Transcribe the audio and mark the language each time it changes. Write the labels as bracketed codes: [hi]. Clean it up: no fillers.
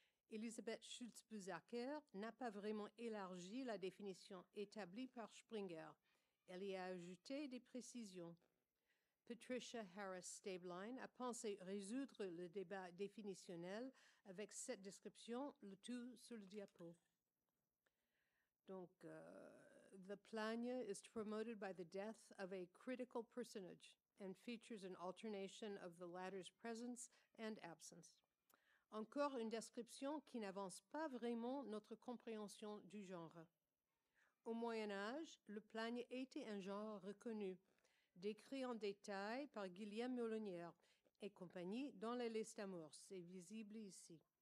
[fr] Elisabeth Schultz-Buzacher n'a pas vraiment élargi la définition établie par Springer. Elle y a ajouté des précisions. Patricia Harris-Stabline a pensé résoudre le débat définitionnel avec cette description, le tout sur le diapo. [en] Donc, the Plagne is promoted by the death of a critical personage and features an alternation of the latter's presence and absence. [fr] Encore une description qui n'avance pas vraiment notre compréhension du genre. Au Moyen Âge, le Plagne était un genre reconnu, décrit en détail par Guillaume Molonnière et compagnie dans la liste Amour, c'est visible ici.